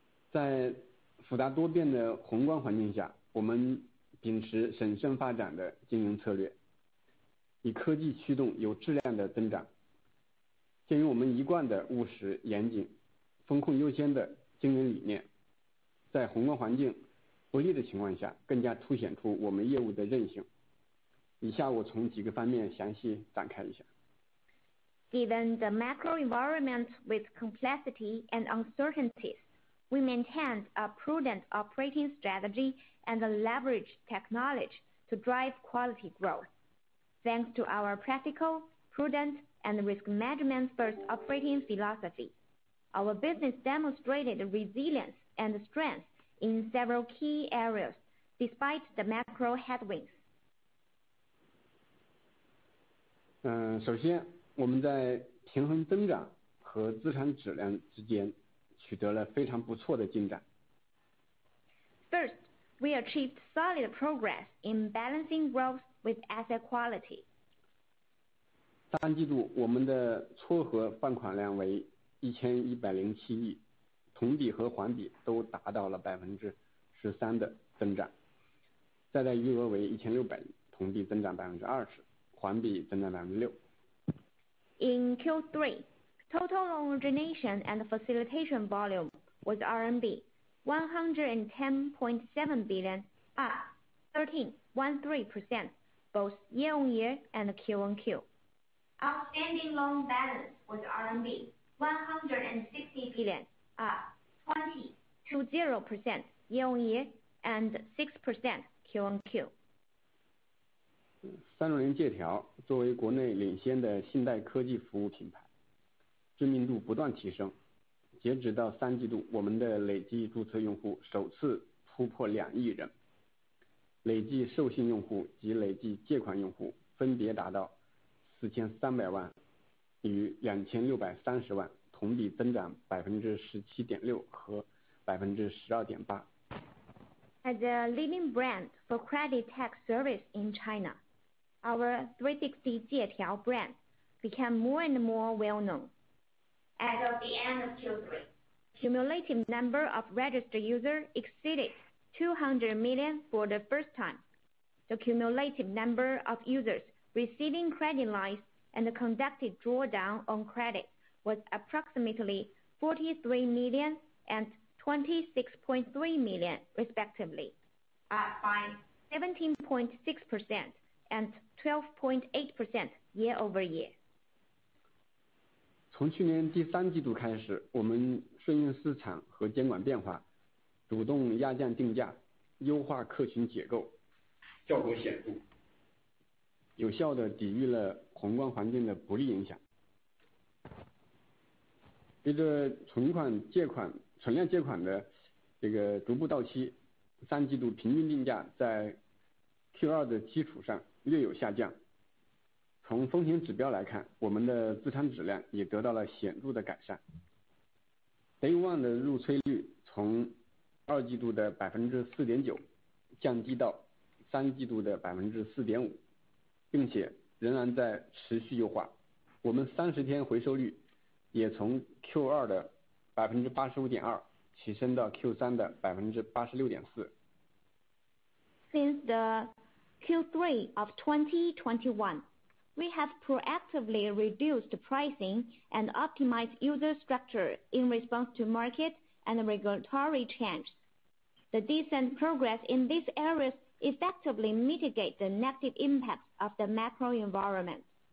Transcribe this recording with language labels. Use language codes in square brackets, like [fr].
[zh] 在复杂多变的宏观环境下，我们秉持审慎发展的经营策略，以科技驱动有质量的增长，鉴于我们一贯的务实严谨、风控优先的经营理念，在宏观环境不利的情况下，更加凸显出我们业务的韧性。以下我从几个方面详细展开一下。 [en] Given the macro environment with complexity and uncertainties, we maintained a prudent operating strategy and leveraged technology to drive quality growth. Thanks to our practical, prudent, and risk management-first operating philosophy, our business demonstrated resilience and strength in several key areas despite the macro headwinds. [zh] 首先，我们在平衡增长和资产质量之间取得了非常不错的进展。 [en] First, we achieved solid progress in balancing growth with asset quality. [zh] 三季度我们的撮合放款量为1107亿，同比和环比都达到了13%的增长，再贷余额为1600亿，同比增长20%，环比增长6%。 [en] In Q3, total loan origination and facilitation volume was RMB 110.7 billion, up 13.13% both year on year and Q on Q. Outstanding loan balance was RMB 160 billion, up 20.20% year on year and 6% Q on Q. [zh] 360借条作为国内领先的信贷科技服务品牌，知名度不断提升。截止到三季度，我们的累计注册用户首次突破2亿人，累计授信用户及累计借款用户分别达到4300万与2630万，同比增长17.6%和12.8%。 [en] As a leading brand for credit tech service in China, our 360 Jietiao brand became more and more well known. As of the end of Q3, cumulative number of registered users exceeded 200 million for the first time. The cumulative number of users receiving credit lines. And the conducted drawdown on credit was approximately 43 million and 26.3 million, respectively, up by 17.6% and 12.8% year over year. [zh] 从去年第三季度开始，我们顺应市场和监管变化，主动压降定价，优化客群结构，效果显著。有效地抵御了宏观环境的不利影响。随着存款借款存量借款的这个逐步到期，三季度平均定价在 Q2 的基础上略有下降。从风险指标来看，我们的资产质量也得到了显著的改善。 Day1 的入催率从二季度的4.9% 降低到三季度的4.5%，并且仍然在持续优化。我们30天回收率也从 Q2 的85.2%提升到 Q3 的86.4%。 [en] Since the Q3 of 2021, we have proactively reduced pricing and optimized user structure in response to market and regulatory change. The decent progress in these areas effectively mitigate the negative impacts of the macro environment.